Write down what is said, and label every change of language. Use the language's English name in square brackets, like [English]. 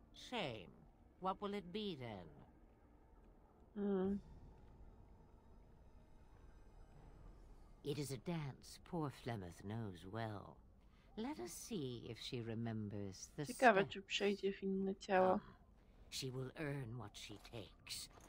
[English] Shame. What will it be then? It is a dance poor Flemeth knows well. Let us see if she remembers the steps. [Polish] Ciekawe, czy przejdzie w inne ciało. [English] She will earn what she takes.